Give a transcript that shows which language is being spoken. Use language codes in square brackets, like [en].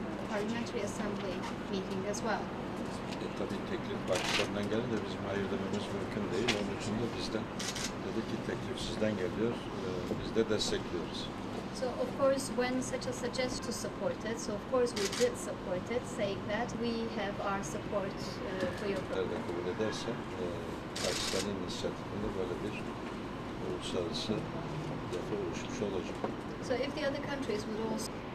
[en] Parliamentary Assembly meeting as well. [tr] Tabii teklif başkanından geldi de bizim hayır dememiz mümkün değil. Onun için de bizden dedi ki teklif sizden geliyor. Biz de destekliyoruz. [en] So of course, when such a suggestion to support it, so of course we did support it, saying that we have our support for your program. [tr] Evet, kabul ederse, Pakistan'ın inisiyatifinde böyle bir uluslararası yapı oluşmuş olacak. [en] So if the other countries would also...